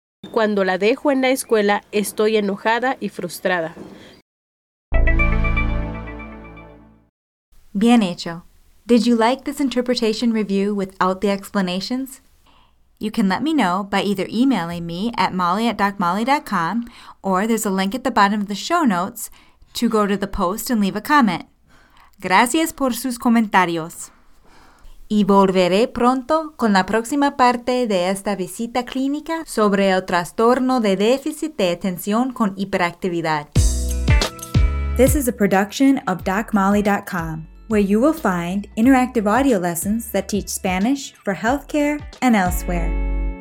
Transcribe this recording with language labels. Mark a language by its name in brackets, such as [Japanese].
[Spanish] Cuando la dejo en la escuela, estoy enojada y frustrada. Bien hecho. [English] Did you like this interpretation review without the explanations? You can let me know by either emailing me at molly@docmolly.com or there's a link at the bottom of the show notes to go to the post and leave a comment. [Spanish] Gracias por sus comentarios. Y volveré pronto con la próxima parte de esta visita clínica sobre el trastorno de déficit de atención con hiperactividad. [English] This is a production of DocMolly.com, where you will find interactive audio lessons that teach Spanish for healthcare and elsewhere.